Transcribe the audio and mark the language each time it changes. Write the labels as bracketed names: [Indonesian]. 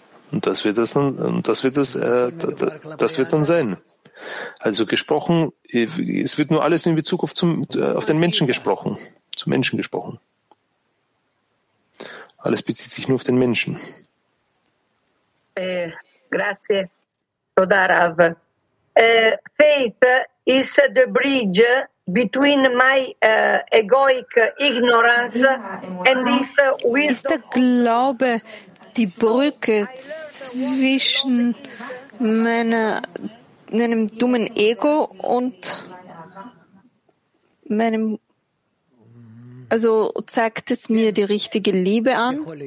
[German] Und das wird das dann, sein. Also gesprochen, es wird nur alles in Bezug auf den Menschen gesprochen. Zum Menschen gesprochen. Alles bezieht sich nur auf den Menschen. [Italian] Grazie, [Hebrew] Toda [Italian] Rav. [English] Faith is the bridge between my egoic ignorance and this wisdom. [German] Ist der Glaube die Brücke zwischen meinem dummen Ego und meinem, also zeigt es mir die richtige Liebe an?